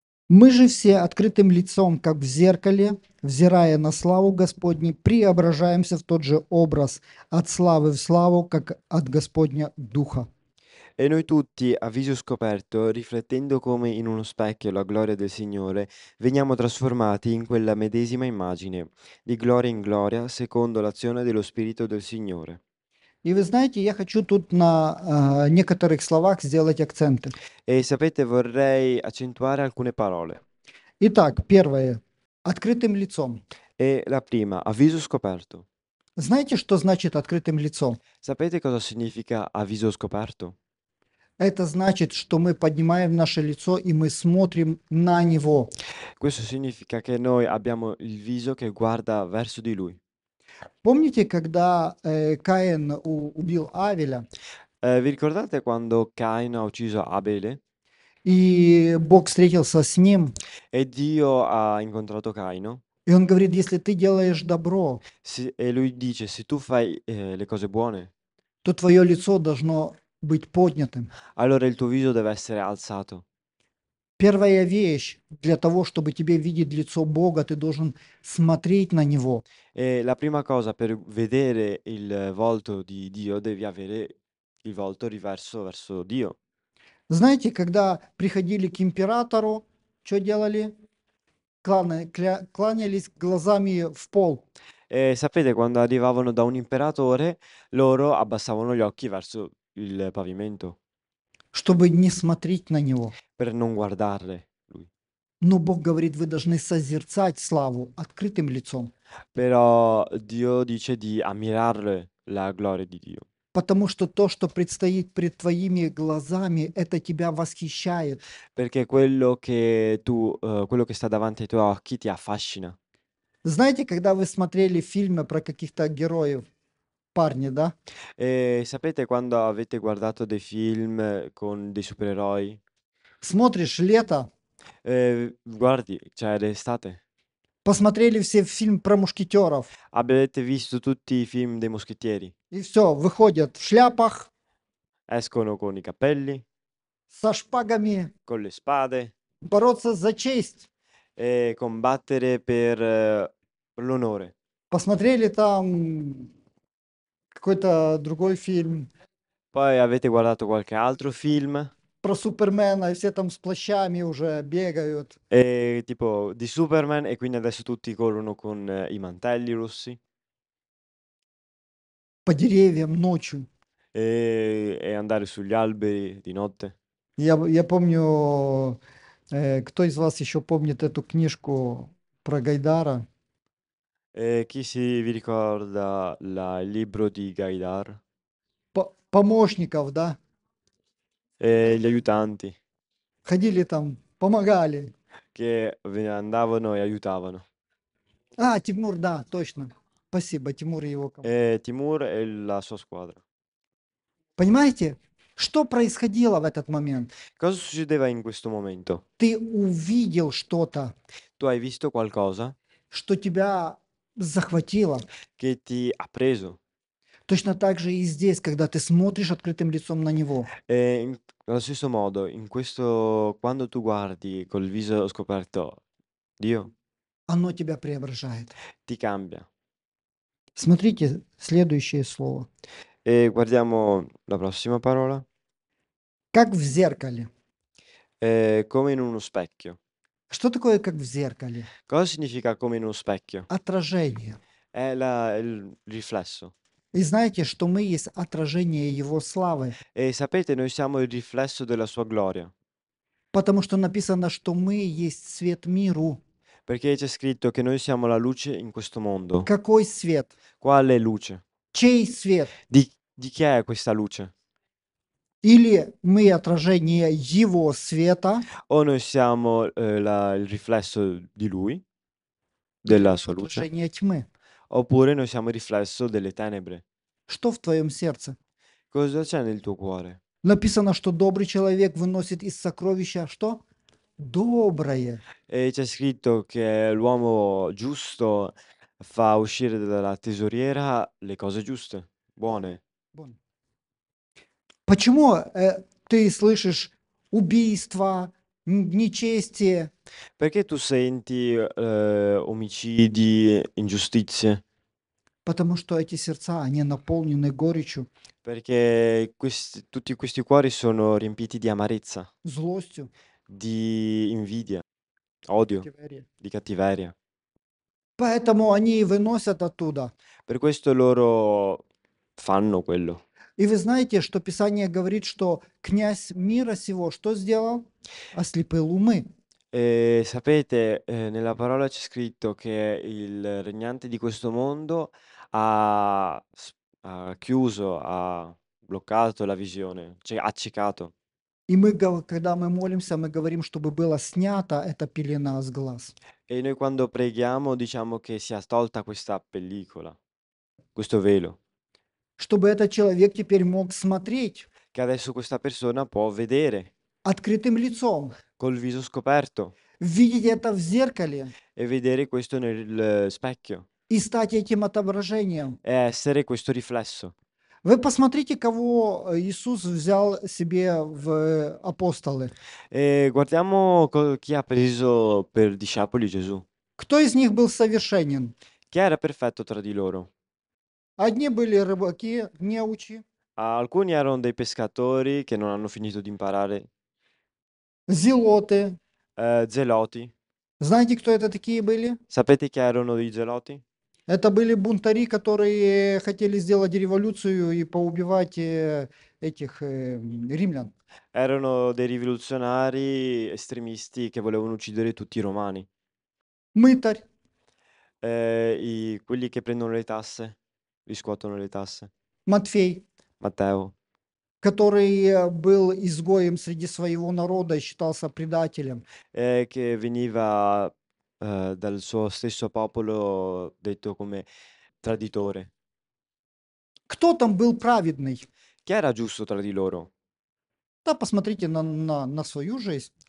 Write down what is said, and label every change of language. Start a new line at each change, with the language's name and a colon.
Russian: Мы же все открытым лицом, как в зеркале, взирая на славу Господню, преображаемся в тот же образ от славы в славу, как от Господня Духа.
Italian: E noi tutti, a viso scoperto, riflettendo come in uno specchio la gloria del Signore, veniamo trasformati in quella medesima immagine, di gloria in gloria, secondo l'azione dello Spirito del Signore.
Russian: И вы знаете, я хочу тут на некоторых словах сделать акценты.
Italian: E sapete, vorrei accentuare alcune parole.
Russian: Итак, первое. Открытым лицом.
Italian: E la prima, a viso scoperto.
Russian: Знаете, что значит открытым лицом?
Italian: Sapete cosa significa a viso scoperto?
Russian: Это значит, что мы поднимаем наше лицо и мы смотрим на него.
Italian: Questo significa che noi abbiamo il viso che guarda verso di lui.
Russian: Помните, когда Каин убил Авеля?
Italian: Vi ricordate quando Caino ha ucciso Abele?
Russian: И Бог встретился с ним.
Italian: E Dio ha incontrato Caino?
Russian: И он говорит, если ты делаешь добро,
Italian: Si, e lui dice, se tu fai le cose buone,
Russian: то твое лицо должно быть поднятым.
Italian: allora il tuo viso deve essere alzato.
Russian: Первая вещь для того, чтобы тебе видеть лицо Бога, ты должен смотреть на него.
Italian: E la prima cosa per vedere il volto di Dio, devi avere il volto riverso verso Dio.
Russian: Знаете, когда приходили к императору, что делали? Кланялись глазами в пол.
Italian: E sapete, quando arrivavano da un imperatore, loro abbassavano gli occhi verso il pavimento
Russian: Чтобы не смотреть на него.
Italian: per non guardare.
Russian: Но Бог говорит, вы должны созерцать славу открытым лицом.
Italian: Però Dio dice di ammirare la gloria di Dio.
Russian: Потому что то, что предстоит пред твоими глазами, это тебя восхищает.
Italian: Perché quello che sta davanti ai tuoi occhi ti affascina.
Russian: Знаете, когда вы смотрели фильмы про каких-то героев, парни, да?
Italian: E sapete quando avete guardato dei film con dei supereroi?
Russian: Смотришь лето.
Italian: Guardi, cioè l'estate.
Russian: Посмотрели все фильм про мушкетеров.
Italian: Avete visto tutti i film dei moschettieri?
Russian: И все, выходят в шляпах,
Italian: Escono con i cappelli,
Russian: со шпагами,
Italian: con le spade,
Russian: бороться за честь.
Italian: e combattere per l'onore.
Russian: Посмотрели там какой-то другой фильм
Italian: Poi avete guardato qualche altro film?
Russian: про Супермена, и все там с плащами уже бегают.
Italian: E tipo di Superman, e quindi adesso tutti corrono con i mantelli rossi.
Russian: По деревьям ночью.
Italian: E andare sugli alberi di notte.
Russian: Я помню, кто из вас еще помнит эту книжку про Гайдара?
Italian: E chi si vi ricorda il libro di Gaidar?
Russian: помощников, да?
Italian: Gli aiutanti
Russian: Ходили там, помогали.
Italian: che andavano e aiutavano.
Russian: А, Тимур, да, точно. Спасибо, Тимур и его команда.
Italian: E Тимур e la sua squadra.
Russian: Понимаете, что происходило в этот момент?
Italian: Cosa succedeva in questo momento?
Russian: Ты увидел что-то,
Italian: Tu hai visto qualcosa
Russian: что тебя захватило.
Italian: che ti ha preso?
Russian: Точно так же и здесь, когда ты смотришь открытым лицом на него.
Italian: E in, allo stesso modo, in questo, quando tu guardi col viso scoperto, Dio,
Russian: оно тебя преображает.
Italian: Ti cambia.
Russian: Смотрите следующее слово.
Italian: E guardiamo la prossima parola.
Russian: Как в зеркале.
Italian: Come in uno specchio.
Russian: Что такое как в зеркале?
Italian: Cosa significa come in uno specchio?
Russian: Отражение.
Italian: È il riflesso.
Russian: И знаете, что мы есть отражение Его славы.
Italian: E sapete, noi siamo il riflesso della sua gloria.
Russian: Потому что написано, что мы есть свет миру.
Italian: Perché c'è scritto che noi siamo la luce in questo mondo.
Russian: Какой свет?
Italian: Quale luce?
Russian: Чей свет?
Italian: Di chi è questa luce?
Russian: Или мы отражение Его света.
Italian: O noi siamo il riflesso di Lui, della sua luce.
Russian: Отражение тьмы.
Italian: Oppure noi siamo il riflesso delle tenebre.
Russian: Что в твоем сердце?
Italian: Cosa c'è nel tuo cuore?
Russian: Написано, что добрый человек выносит из сокровища что? Доброе.
Italian: E c'è scritto che l'uomo giusto fa uscire dalla tesoriera le cose giuste, buone. Bon.
Russian: Почему ты слышишь убийство, нечестие?
Italian: Perché tu senti omicidi, ingiustizie?
Russian: Потому что эти сердца, они наполнены горечью.
Italian: Perché tutti questi cuori sono riempiti di amarezza.
Russian: Злостью.
Italian: Di invidia, odio, di cattiveria.
Russian: Поэтому они выносят оттуда.
Italian: Per questo loro fanno quello.
Russian: И вы знаете, что Писание говорит, что князь мира сего что сделал? Ослепил умы.
Italian: E sapete, nella parola c'è scritto che il regnante di questo mondo ha chiuso, ha bloccato la visione, cioè ha accecato.
Russian: И мы, когда мы молимся, мы говорим, чтобы была снята эта пелена с глаз.
Italian: E noi quando preghiamo diciamo che sia tolta questa pellicola, questo velo.
Russian: Чтобы этот человек теперь мог смотреть.
Italian: Che adesso questa persona può vedere.
Russian: Открытым лицом.
Italian: Col viso scoperto.
Russian: Видеть это в зеркале.
Italian: E vedere questo nel specchio.
Russian: И стать этим отображением.
Italian: E essere questo riflesso.
Russian: Вы посмотрите, кого Иисус взял себе в апостолы.
Italian: E guardiamo chi ha preso per discepoli Gesù.
Russian: Кто из них был совершенен?
Italian: Chi era perfetto tra di loro?
Russian: Одни были рыбаки, неучи.
Italian: Alcuni erano dei pescatori che non hanno finito di imparare.
Russian: Зелоты.
Italian: Зелоти.
Russian: Знаете, кто это такие были?
Italian: Sapete chi erano i zeloti?
Russian: Это были бунтари, которые хотели сделать революцию и поубивать этих римлян.
Italian: Erano dei rivoluzionari estremisti che volevano uccidere tutti i romani.
Russian: Мытарь.
Italian: И quelli che prendono le tasse. Riscuotono le tasse.
Russian: Матфей,
Italian: Матео,
Russian: который был изгоем среди своего народа и считался предателем.
Italian: Che veniva dal suo stesso popolo detto come traditore.
Russian: Кто там был праведный?
Italian: Chi era giusto tra di loro?
Russian: Да, посмотрите на свою жизнь.